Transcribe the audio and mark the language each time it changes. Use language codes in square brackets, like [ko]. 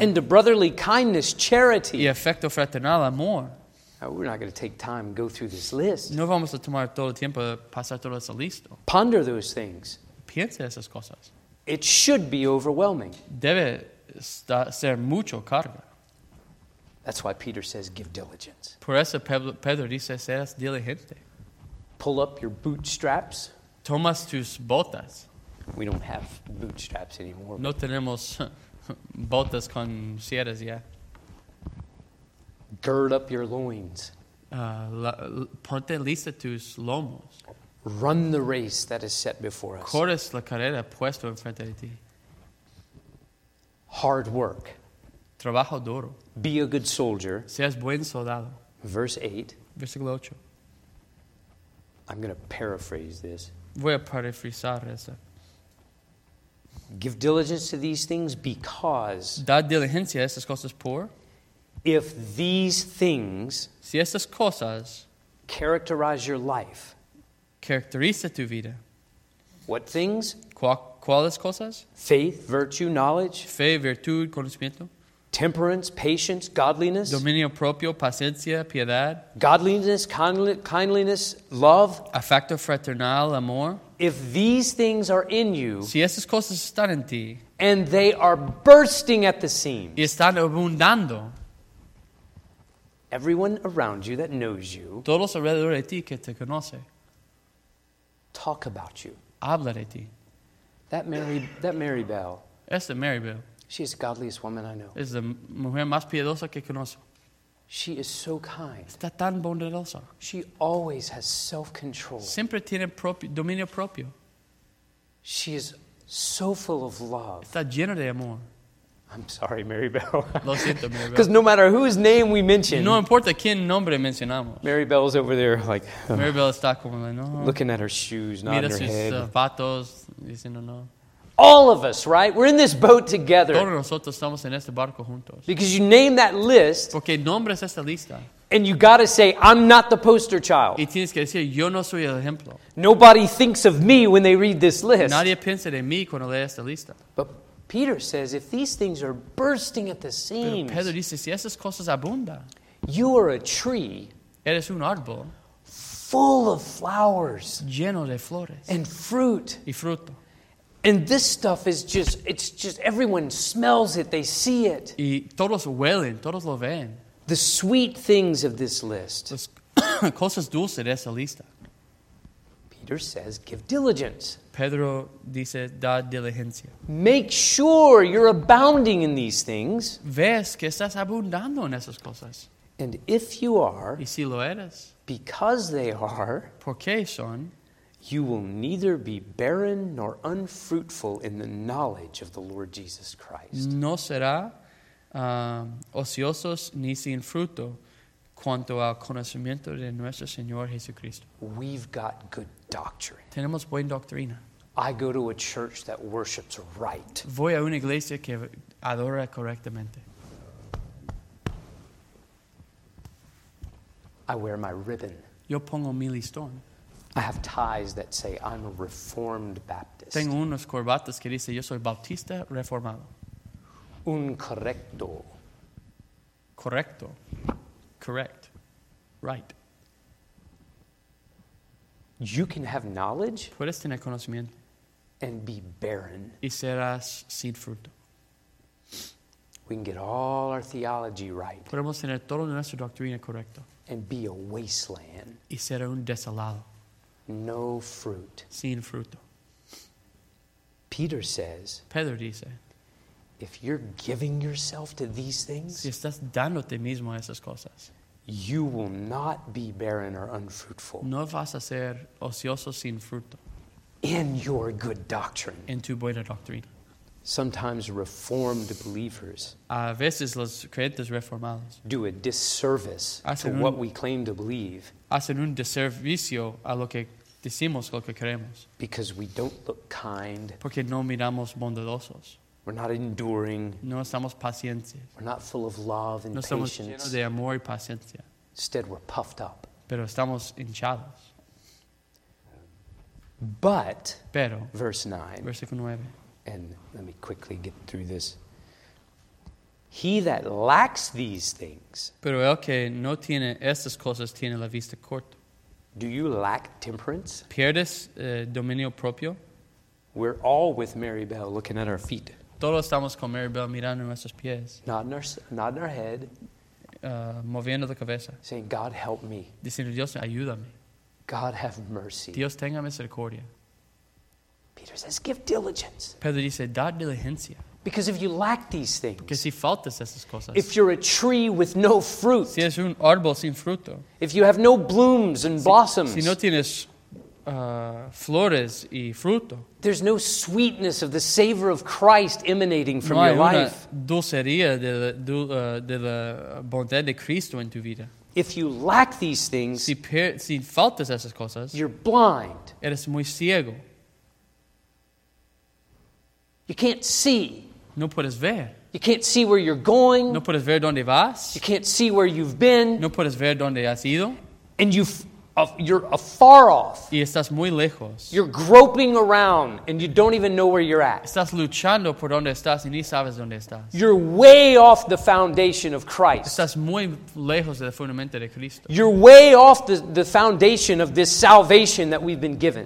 [en] And to brotherly kindness, charity. [es] Y afecto fraternal, amor. [en] Now, we're not going to take time to go through this list. [es] No vamos a tomar todo el tiempo para pasar todo eso listo. [en] Ponder those things. [es] Piensa esas cosas. [en] It should be overwhelming. [es] Debe ser mucho carga. [en] That's why Peter says, give diligence. [es] Por eso Pedro dice, seas diligente. [en] Pull up your bootstraps. [es] Tomas tus botas. [en] We don't have bootstraps anymore. [es] No tenemos botas con sierras ya. [en] Gird up your loins. [es] Ponte lista tus lomos. [en] Run the race that is set before us. [es] Corres la carrera puesto en frente de ti. [en] Hard work. [es] Trabajo duro. [en] Be a good soldier. [es] Seas buen soldado. [en] Verse 8. [es] Versículo 8. [en] I'm going to paraphrase this. [es] Voy a parafrasear eso. [en] Give diligence to these things because. [es] Da diligencia a estas cosas por. [en] If these things. [es] Si estas cosas. [en] Characterize your life. [es] Caracteriza tu vida. [en] What things? [es] ¿Cuáles cosas? [en] Faith, virtue, knowledge. [es] Fe, virtud, conocimiento. [en] Temperance, patience, godliness. [es] Dominio propio, paciencia, piedad. [en] Godliness, kindliness, love. [es] Afecto fraternal, amor. [en] If these things are in you. [es] Si esas cosas están en ti. [en] And they are bursting at the seams. [es] Y están abundando. [en] Everyone around you that knows you. [es] Todos alrededor de ti que te conoce. [en] Talk about you. [es] Habla de ti. [en] That Mary Bell. [es] Esa Mary Bell. [en] She is the godliest woman I know. [es] Es la mujer más piadosa que conozco. [en] She is so kind. [es] Está tan bondadosa. [en] She always has self-control. [es] Siempre tiene dominio propio. [en] She is so full of love. [es] Está llena de amor. [en] I'm sorry, Mary Bell. [es] Lo siento, Mary Bell. [en] Because no matter whose name we mention. [es] No importa quién nombre mencionamos. [en] Mary Bell's over there like. [es] Mary Bell está como like, no. [en] Looking at her shoes, nodding her head. [es] Mira sus zapatos, diciendo no. [en] All of us, right? We're in this boat together. [es] Todos nosotros estamos en este barco juntos. [en] Because you name that list. [es] Porque nombras esta lista. [en] And you got to say, I'm not the poster child. [es] Y tienes que decir, yo no soy el ejemplo. [en] Nobody thinks of me when they read this list. [es] Nadie piensa de mí cuando lee esta lista. [en] But Peter says, if these things are bursting at the seams. [es] Pero Pedro dice, si esas cosas abundan. [en] You are a tree. [es] Eres un árbol. [en] Full of flowers. [es] Lleno de flores. [en] And fruit. [es] Y fruto. [en] And this stuff is just, it's just, everyone smells it, they see it. [es] Y todos huelen, todos lo ven. [en] The sweet things of this list. [es] Las cosas dulces de esa lista. [en] Peter says, give diligence. [es] Pedro dice, da diligencia. [en] Make sure you're abounding in these things. [es] Ves que estás abundando en esas cosas. [en] And if you are. [es] Y si lo eres. [en] Because they are. [es] Porque son. [en] You will neither be barren nor unfruitful in the knowledge of the Lord Jesus Christ. [es] No será ociosos ni sin fruto cuanto al conocimiento de nuestro Señor Jesucristo. [en] We've got good doctrine. [es] Tenemos buena doctrina. [en] I go to a church that worships right. [es] Voy a una iglesia que adora correctamente. [en] I wear my ribbon. [es] Yo pongo mi listón. [en] I have ties that say I'm a Reformed Baptist. [es] Tengo unos corbatas que dice yo soy Bautista Reformado. Un correcto. [en] Correcto. Correct. Right. You can have knowledge. [es] Puedes tener conocimiento. [en] And be barren. [es] Y serás sin fruto. [en] We can get all our theology right. [es] Podemos tener toda nuestra doctrina correcta. [en] And be a wasteland. [es] Y ser un desolado. [en] No fruit. [es] Sin fruto. [en] Peter says. [es] Pedro dice. [en] If you're giving yourself to these things. [es] Si estás dándote mismo a esas cosas. [en] You will not be barren or unfruitful. [es] No vas a ser ocioso sin fruto. [en] In your good doctrine. [es] En tu buena doctrina. [en] Sometimes reformed believers. [es] A veces los creyentes reformados. [en] Do a disservice to what we claim to believe. [es] Hacen un deservicio a lo que decimos, lo que creemos. [en] Because we don't look kind. [es] Porque no miramos bondadosos. [en] We're not enduring. [es] No estamos pacientes. [en] We're not full of love and [es] no estamos [en] patience. [es] Llenos de amor y paciencia. [en] Instead, we're puffed up. [es] Pero estamos hinchados. [en] But, [es] pero, [en] verse 9. [es] Versículo 9. [en] And let me quickly get through this. He that lacks these things. [es] Pero el que no tiene estas cosas tiene la vista corta. [en] Do you lack temperance? [es] Pierdes dominio propio? [en] We're all with Mary Bell looking at our feet. [es] Todos estamos con Mary Bell mirando nuestros pies. [en] Nodding our head. [es] Moviendo la cabeza. [en] Saying, God help me. [es] Diciendo, Dios ayúdame. [en] God have mercy. [es] Dios tenga misericordia. [en] Peter says, give diligence. [es] Pedro dice, da diligencia. [en] Because if you lack these things. [es] Porque si faltas esas cosas. [en] If you're a tree with no fruit. [es] Si es un árbol sin fruto. [en] If you have no blooms and blossoms. [es] Si no tienes flores y fruto. [en] There's no sweetness of the savor of Christ emanating from [es] no hay [en] your [es] una [en] life. [es] Dulcería de la bondad de Cristo en tu vida. [en] If you lack these things. [es] Si faltas esas cosas. [en] You're blind. [es] Eres muy ciego. [en] You can't see. [es] No puedes ver. [en] You can't see where you're going. [es] No puedes ver dónde vas. [en] You can't see where you've been. [es] No puedes ver dónde has ido. [en] And you're afar off. [es] Y estás muy lejos. [en] You're groping around and you don't even know where you're at. [es] Estás luchando por dónde estás y ni sabes dónde estás. [en] You're way off the foundation of Christ. [es] Estás muy lejos del fundamento de Cristo. [en] You're way off the foundation of this salvation that we've been given.